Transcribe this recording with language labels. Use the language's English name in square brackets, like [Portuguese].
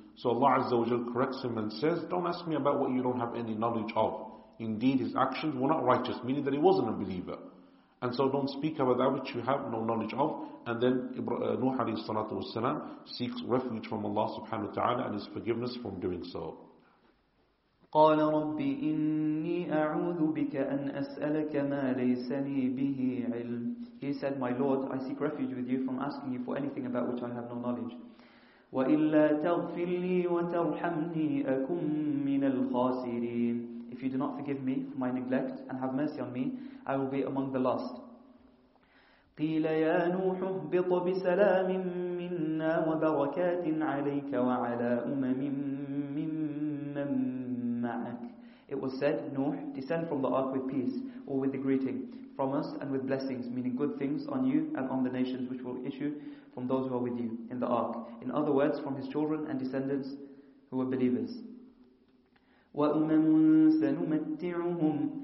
[English] So Allah Azza wa Jal corrects him and says, "Don't ask me about what you don't have any knowledge of. Indeed, his actions were not righteous," meaning that he wasn't a believer. "And so don't speak about that which you have no knowledge of." And then Nuh alayhi salatu wa salam seeks refuge from Allah subhanahu wa ta'ala and his forgiveness from doing so. [Arabic] قال ربي إني أعوذ بك أن أسألك ما ليسني به علم. [English] He said, "My Lord, I seek refuge with you from asking you for anything about which I have no knowledge. [Arabic] وإلا تغفر لي وترحمني أكن من الخاسرين. [English] If you do not forgive me for my neglect and have mercy on me, I will be among the lost." [Arabic] قيل يا نوح اهبط بسلام منا وبركات عليك وعلى أمم ممن. [English] It was said, "Nuh, descend from the ark with peace, or with the greeting, from us and with blessings," meaning good things on you and on the nations which will issue from those who are with you in the ark. In other words, from his children and descendants who were believers. [Arabic] وَأُمَمٌ سَنُمَتِّعُهُمْ